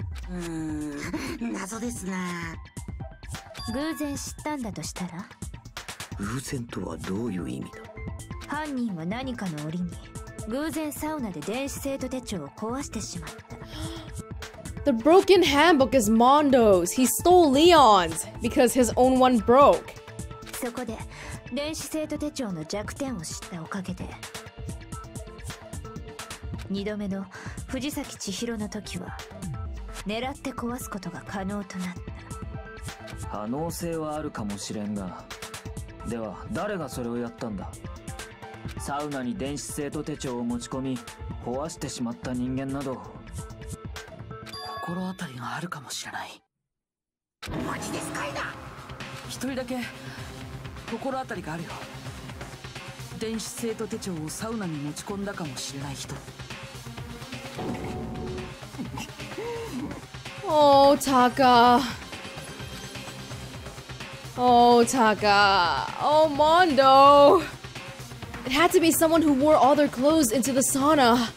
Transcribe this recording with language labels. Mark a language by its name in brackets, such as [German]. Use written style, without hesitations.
[Japanese] 謎ですな。偶然知ったんだとしたら？偶然とはどういう意味だ？犯人は何かの折に偶然サウナで電子生徒手帳を壊してしまった。 [English] The broken handbook is Mondo's. He stole Leon's because his own one broke. [Japanese] そこで電子生徒手帳の弱点を知ったおかげで二度目の藤崎千尋の時は狙って壊すことが可能となった。可能性はあるかもしれんが、では誰がそれをやったんだ？サウナに電子生徒手帳を持ち込み壊してしまった人間など心当たりがあるかもしれない。マジでスカイだ。一人だけ心当たりがあるよ。電子生徒手帳をサウナに持ち込んだかもしれない人。おおタカ、おおタカ、おおマンド。 [English] It had to be someone who wore all their clothes into the sauna.